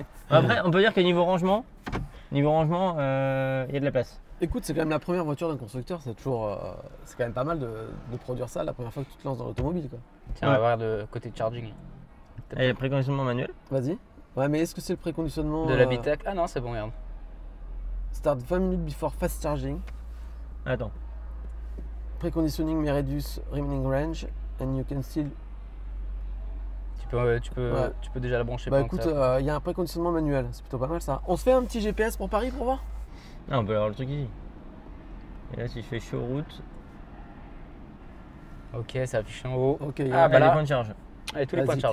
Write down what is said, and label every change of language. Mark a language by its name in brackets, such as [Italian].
[French] Après, on peut dire que niveau rangement, il y a de la place. Écoute, c'est quand même la première voiture d'un constructeur, c'est toujours, c'est quand même pas mal de produire ça la première fois que tu te lances dans l'automobile, quoi. Tiens, ouais. On va voir le côté charging. Et le préconditionnement manuel. Vas-y. Ouais, mais est-ce que c'est le préconditionnement de l'habitacle? Ah non, c'est bon, regarde. [English] Start 20 minutes before fast charging. [French] Attends. [English] Préconditioning may reduce remaining range and you can still. [French] Tu peux déjà la brancher. Bah écoute, il y a un préconditionnement manuel, c'est plutôt pas mal ça. On se fait un petit GPS pour Paris pour voir? Non, on peut avoir le truc ici. Et là, si je fais show route. Ok, ça affiche en haut. Okay, ah, bah là, les points de charge. Allez, tous les points de charge.